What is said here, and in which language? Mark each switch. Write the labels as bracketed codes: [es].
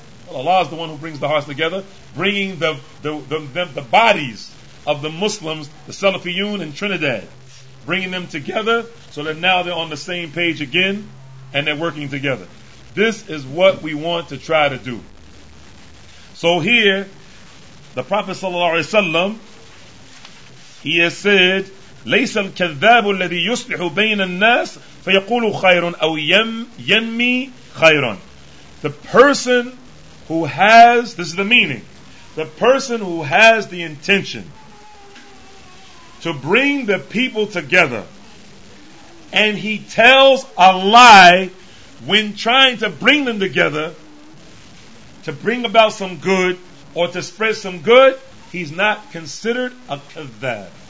[en] Allah is the one who brings the hearts together, bringing the bodies of the Muslims, the Salafiyun in Trinidad, bringing them together so that now they're on the same page again and they're working together. This is what we want to try to do. So here, the Prophet sallallahu alaihi wasallam, he has said, [ar] لَيْسَ الْكَذَّابُ الَّذِي يُصْلِحُ بَيْنَ النَّاسِ فَيَقُولُ خَيْرٌ أَوْ يَنْمِي خَيْرٌ. [en] The person who has, this is the meaning, the person who has the intention to bring the people together and he tells a lie when trying to bring them together to bring about some good or to spread some good, he's not considered a kadhab.